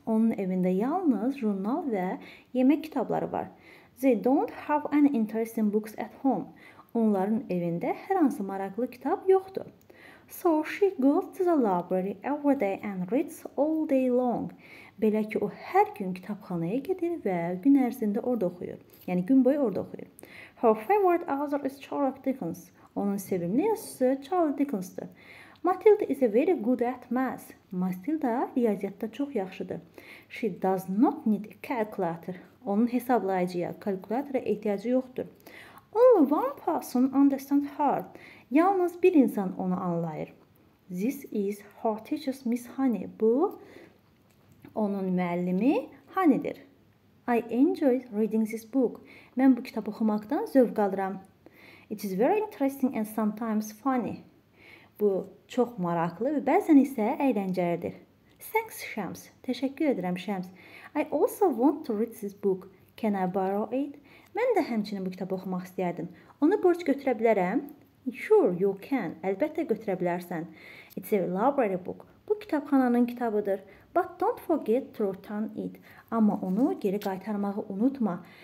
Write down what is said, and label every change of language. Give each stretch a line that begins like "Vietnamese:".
Azerbaijani: Onun evində yalnız jurnal və yemək kitabları var.
English: They don't have any interesting books at home.
Azerbaijani: Onların evində hər hansı maraqlı kitab yoxdur.
English: So she goes to the library every day and reads all day long.
Azerbaijani: Belə ki, o hər gün kitabxanaya gedir və gün ərzində orada oxuyur. Yəni, gün boyu orada oxuyur.
English: Her favorite author is Charles Dickens.
Azerbaijani: Onun sevimli yazısı Charles Dickens'dir.
English: Matilda is a very good at math.
Azerbaijani: Matilda riyaziyyatda çox yaxşıdır.
English: She does not need a calculator.
Azerbaijani: Onun hesablayıcıya, kalkulatora ehtiyacı yoxdur.
English: Only one person understands her.
Azerbaijani: Yalnız bir insan onu anlayır.
English: This is her teacher, Miss Honey.
Azerbaijani: Bu, onun müəllimi Honey'dir.
English: I enjoy reading this book.
Azerbaijani: Mən bu kitabı oxumaqdan zövq alıram.
English: It is very interesting and sometimes funny.
Azerbaijani: Bu çox maraqlı və bəzən isə əyləncəlidir.
English: Thanks, Shams.
Azerbaijani: Təşəkkür edirəm, Shams.
English: I also want to read this book. Can I borrow it?
Azerbaijani: Mən də həmçinin bu kitabı oxumaq istəyərdim. Onu borc götürə bilərəm?
English: Sure, you can.
Azerbaijani: Əlbəttə götürə bilərsən.
English: It's a library book.
Azerbaijani: Bu kitabxananın kitabıdır.
English: But don't forget to return it.
Azerbaijani: Amma onu geri qaytarmağı unutma.